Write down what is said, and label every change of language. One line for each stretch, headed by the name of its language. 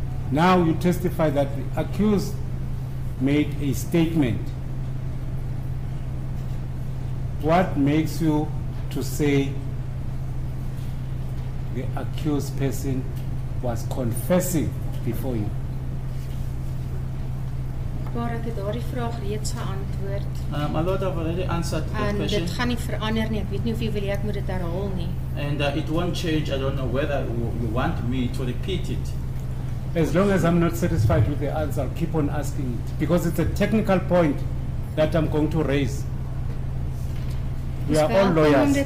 English: Now you testify that the accused made a statement. What makes you to say the accused person was confessing before you?
Afrikaans: Maar ek het daardie vraag reeds geantwoord.
English: My Lord, I've already answered the question.
Afrikaans: En dit gaan nie verander nie. Ek weet nie of jy wil hê ek moet dit herhaal nie.
English: And it won't change. I don't know whether you want me to repeat it. As long as I'm not satisfied with the answer, I'll keep on asking it because it's a technical point that I'm going to raise. We are all lawyers.